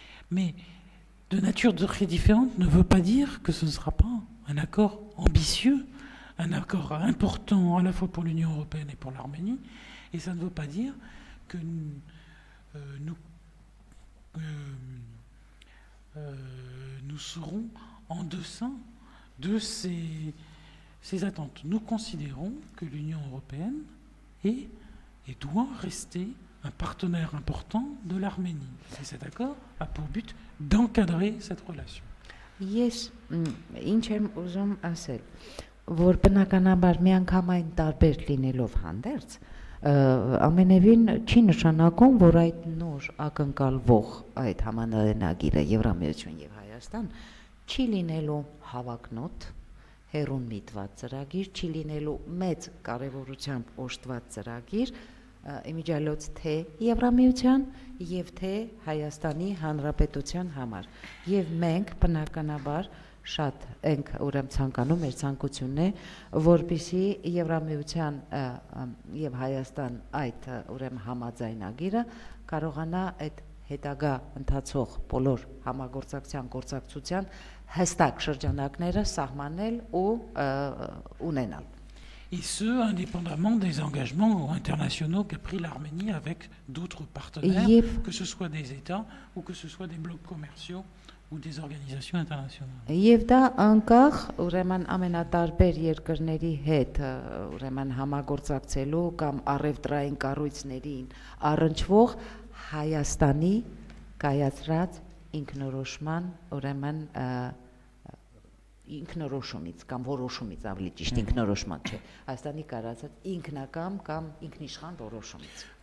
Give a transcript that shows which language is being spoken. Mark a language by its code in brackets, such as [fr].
[fr] Mais de nature très différente ne veut pas dire que ce ne sera pas un accord ambitieux, un accord important à la fois pour l'Union européenne et pour l'Arménie, et ça ne veut pas dire que nous serons en deçà de ces attentes. Nous considérons que l'Union européenne est et doit rester un partenaire important de l'Arménie. Et cet accord a pour but d'encadrer cette relation. [hy] Yes, inchem uzum asel vor bnakanabar miankhamayn tarber linelov handerts ամենևին չի նշանակում, որ այդ նոր ակնկալվող այդ համանալենագիրը Եվրամիություն և Հայաստան չի լինելու հավակնոտ հերուն միտված ծրագիր, չի լինելու մեծ կարևորությամբ օժտված ծրագիր, իմիջալոց թե Եվրամիության և թե Հայաստանի Հանրապետության համար, և մենք բնականաբար շատ ենք ուրեմն ցանկանում, մեր ցանկությունն է, որպեսզի Եվրամիության եւ Հայաստան այդ ուրեմն համաձայնագիրը կարողանա այդ հետագա ընթացող բոլոր համագործակցության գործակցության հստակ շրջանակները սահմանել ու ունենալ։ [fr] Et ce, indépendamment des engagements internationaux qu'a pris l'Arménie avec d'autres partenaires, que ce soit des États ou que ce soit des blocs commerciaux ou des organisations internationales. [hy] Եվ դա անկախ ուրեմն ամենատարբեր երկրների հետ ուրեմն համագործակցելու կամ առևտրային կառույցներին առնչվող Հայաստանի կայացրած ինքնորոշման ուրեմն ինքնորոշումից կամ որոշումից, ավելի ճիշտ ինքնորոշման չէ, Հայաստանի կառուցած ինքնակամ կամ ինքնիշխան որոշումից։